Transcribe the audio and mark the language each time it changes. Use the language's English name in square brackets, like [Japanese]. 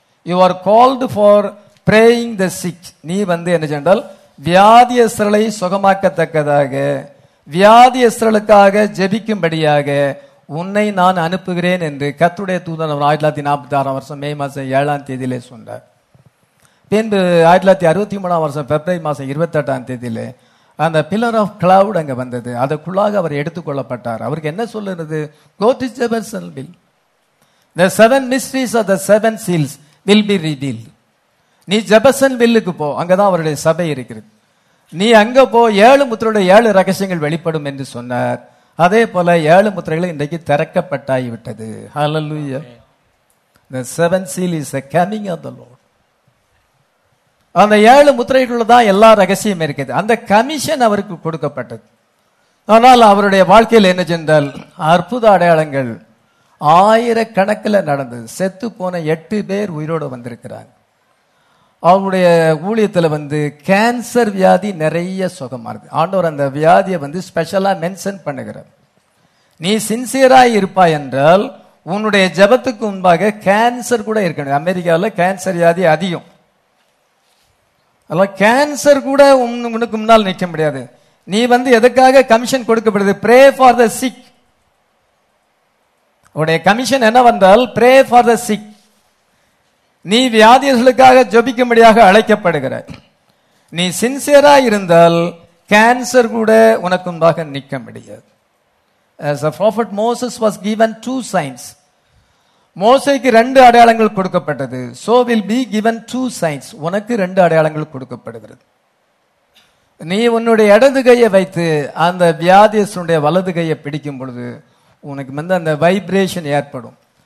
[English] You are called for praying the sick. [Tamil] நீ வந்து என்ன சென்றால், வியாதியஸ்தரலை சுகமாக்கத்தக்கதாக, வியாதியஸ்தரலுக்காக ஜபிக்கும்படியாக உன்னை நான் அனுப்புகிறேன் என்று கர்த்தருடைய தூதன் 1946 மே மாதம் 7ஆம் தேதியிலே சொன்னார். பின்பு 1963 பிப்ரவரி மாதம் 28ஆம் தேதியிலே அந்த பில்லர் ஆஃப் கிளவுட் அங்கே வந்தது. அதற்குள்ளாக அவர் எடுத்துக்கொள்ளப்பட்டார். அவருக்கு என்ன சொல்லுறது? [English] Go to Jerusalem. The seven mysteries of the seven seals will be revealed. [Tamil] நீ ஜபசன் வில்லுக்கு போ, அங்கதான் அவருடைய சபை இருக்கிறது. நீ அங்க போ, ஏழு முத்திரையுடைய ஏழு ரகசியங்கள் வெளிப்படும் என்று சொன்னார். அதே போல ஏழு முத்திரைகளும் இன்றைக்கு திறக்கப்பட்டாகி விட்டது. ஹல்லேலூயா. [English] The seventh seal is the coming of the Lord. [Tamil] அந்த ஏழு முத்திரைகளில் தான் எல்லா ரகசியமும் இருக்குது. அந்த கமிஷன் அவருக்கு கொடுக்கப்பட்டது. ஆனால் அவருடைய வாழ்க்கையில் என்ன சென்றால், அற்புத அடையாளங்கள் ஆயிரக்கணக்கில் நடந்தது. செத்து போன 8 பேர் உயிரோடு வந்திருக்கிறாங்க. அவருடைய ஊழியத்தில் வந்து கேன்சர் வியாதி நிறைய சுகமாகுது. ஆண்டவர் அந்த வியாதியை வந்து ஸ்பெஷலாக மென்ஷன் பண்ணுகிறார். நீ சின்சியராக இருப்பாய் என்றால் உன்னுடைய ஜபத்துக்கு முன்பாக கேன்சர் கூட இருக்கணும். அமெரிக்காவில் கேன்சர் வியாதி அதிகம். அதெல்லாம் கேன்சர் கூட உனக்கு முன்னால் நிற்க முடியாது. நீ வந்து எதுக்காக கமிஷன் கொடுக்கப்படுது? [English] Pray for the sick. [Tamil] உடைய கமிஷன் என்ன வந்தால், [English] Pray for the sick. [Tamil] நீ வியாதியர்களுக்காக ஜபிக்கும்படியாக அழைக்கப்படுகிற, நீ சின்சியரா இருந்தால் கேன்சர் கூட உனக்கு உண்டாக நிற்க முடியாது. [English] As the prophet Moses was given two signs. [Tamil] மோசேக்கு ரெண்டு அடையாளங்கள் கொடுக்கப்பட்டது. [English] So will be given two signs. [Tamil] உனக்கு ரெண்டு அடையாளங்கள் கொடுக்கப்படுகிறது. நீ உன்னுடைய இடது கையை வைத்து அந்த வியாதியஸ்தனுடைய வலது கையை பிடிக்கும் பொழுது உனக்கு வந்து அந்த வைப்ரேஷன் ஏற்படும்.